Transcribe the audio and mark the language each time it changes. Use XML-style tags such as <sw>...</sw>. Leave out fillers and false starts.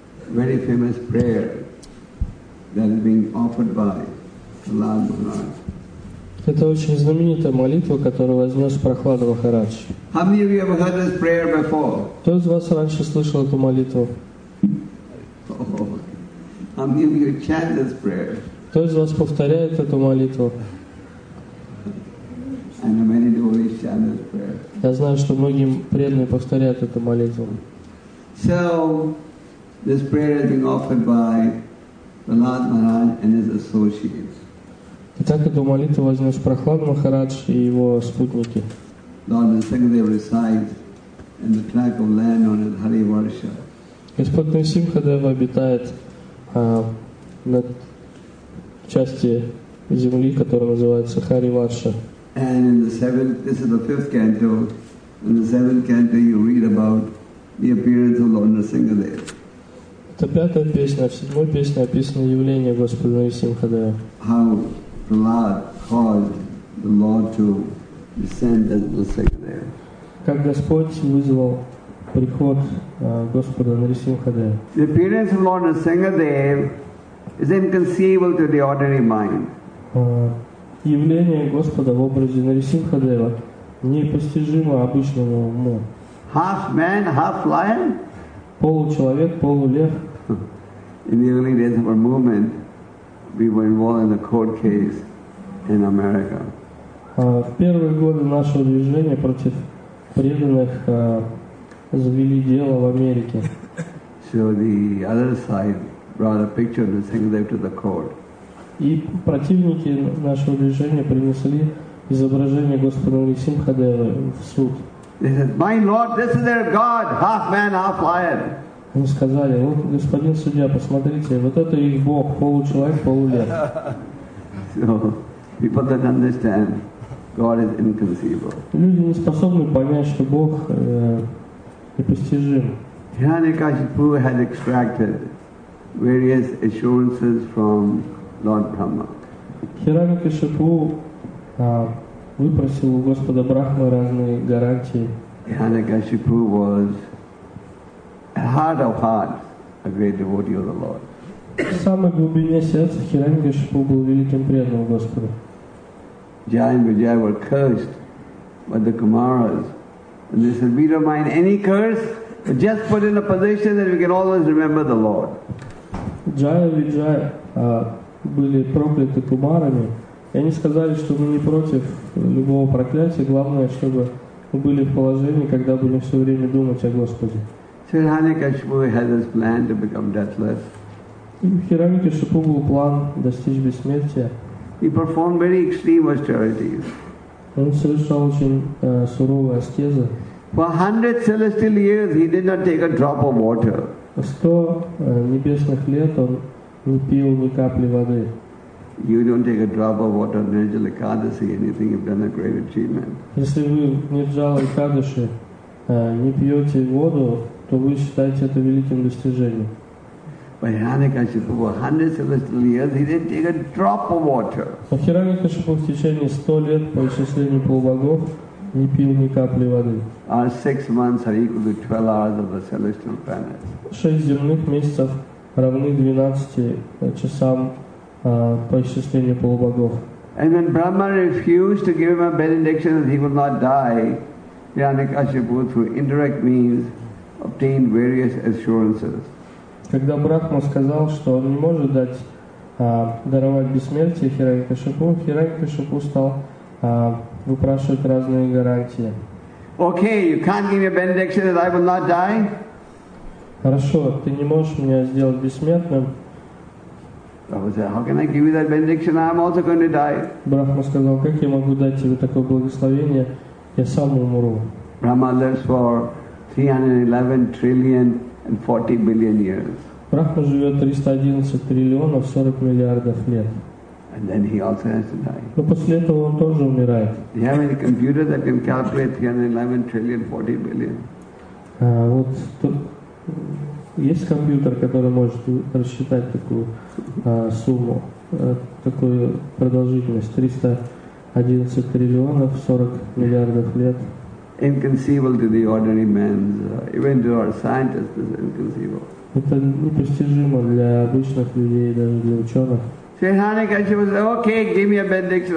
<en>Very famous prayer that is being offered by Prahlad Maharaj.</en> <ru>Это очень знаменитая молитва, которую вознес Прохлада Махарадж.</ru> <en>How many of you have heard this prayer before?</en> <ru>Кто из вас раньше слышал эту молитву?</ru> <en>Oh, how many of you chant this prayer?</en> <ru>Кто из вас повторяет эту молитву?</ru> <en>I know many devotees chant this prayer.</en> <ru>Я знаю, что многие преданные повторяют эту молитву.</ru> <en>So this prayer is being offered by Prahlad Maharaj and his associates.</en> <ru>Итак, эту молитву вознес Прохлад Махарадж и его спутники.</ru> <en>Lord Nrisimhadev resides in the tract of land on his Hari Varsha.</en> <ru>Господь Нрисимхадев обитает на части земли, которая называется Хари Варша.</ru> <en>And in the seventh, this is the fifth canto. In the seventh canto, you read about the appearance of Lord Nrisimhadev.</en> <ru>Это пятая песня, в седьмой песне описано явление Господа Нрисимхадева.</ru> <en>How Prahlad called the Lord to descend as Nrisimhadev.</en> <ru>Как Господь вызвал приход Господа Нрисимхадева.</ru> <en>The appearance of Lord Nrisimhadev is inconceivable to the ordinary mind.</en> <ru>Явление Господа в образе Нрисимхадева непостижимо обычному уму.</ru> <en>Half man, half lion?</en> <ru>Получеловек, полулев.</ru> <en>In the early days of our movement, we were involved in a court case in America.</en> <ru>В первые годы нашего движения против преданных завели дело в Америке.</ru> <en>So the other side brought a picture of Nrisimhadev to the court.</en> <ru>И противники нашего движения принесли изображение Господа Нрисимхадева в суд.</ru> <en>They said, "My Lord, this is their God, half man, half lion."</en> <ru>Они сказали, вот господин судья, посмотрите, вот это их Бог, получеловек, полулев.</ru> <en>So, people don't understand, God is inconceivable.</en> <ru>Люди не способны понять, что Бог непостижим.</ru> <en>Hiranyakashipu had extracted various assurances from Lord Brahma.</en> <ru>Hiranyakashipu выпросил у Господа Брахмы разные гарантии.</ru> <en>Hiranyakashipu was heart of heart, a great devotee of the Lord.</en> <ru>самой глубине сердца Хирани Кашипу был великим преданным Господу.</ru> <en>Jai and Vijay were cursed by the Kumaras. And they said, we don't mind any curse, but just put in a position that we can always remember the Lord.</en> <ru>Jai and Vijay были прокляты Кумарами. И они сказали, что мы не против любого проклятия, главное, чтобы мы были в положении, когда будем все время думать о Господе.</ru> <en>Hirani Kashipu had this plan to become deathless.</en> <ru>Hirani Kashipu был план достичь бессмертия.</ru> <en>He performed very extreme austerities.</en> <ru>Он совершал очень суровые аскезы.</ru> <en>For 100 celestial years he did not take a drop of water.</en> <ru>100 небесных лет он не пил ни капли воды.</ru> <en>You don't take a drop of water in Nirjala Ekadasi, anything, you've done a great achievement.</en> <ru>Если вы в Нирджала Экадаши не пьете воду, то вы считаете это великим достижением.</ru> <en>But Hirani Kashipu, for 100 celestial years, he didn't take a drop of water.</en> <ru>А Хирани Кашипу в течение 100 лет по исчислению полубогов не пил ни капли воды.</ru> <en>Our 6 months are equal to 12 hours of the celestial planet.</en> <ru>6 земных месяцев равны 12 часам по исчислению полубогов.</ru> <en>And when Brahma refused to give him a benediction that he would not die, Hirani Kashipu, through indirect means, obtained various assurances.</en> <ru>Когда Брахма сказал, что он не может даровать бессмертие Хирани Кашипу, Хирани Кашипу стал выпрашивать разные гарантии.</ru> <en>Okay, you can't give me a benediction that I will not die.</en> <ru>Хорошо, ты не можешь меня сделать бессмертным.</ru> <en>How can I give you that benediction? I'm also going to die.</en> <ru>Брахма сказал, как я могу дать тебе такое благословение? Я сам умру.</ru> <en>Brahma lives for 311 trillion. And 40 billion years.</en> <ru>Брахма живет 311 триллионов 40 миллиардов лет.</ru> <en>And then he also has to die.</en> <ru>Но после этого он тоже умирает.</ru> <en>Do you have any computer that can calculate 311 trillion 40 billion?</en> <ru>Вот тут есть компьютер, который может рассчитать такую сумму, такую продолжительность 311 триллионов 40 миллиардов лет.</ru> <en>Inconceivable to the ordinary man, even to our scientists, is inconceivable.</en> <ru>Это непостижимо для обычных людей, даже для ученых.</ru> <en>Hirani Kashipu said, "Okay, give me a benediction.</en>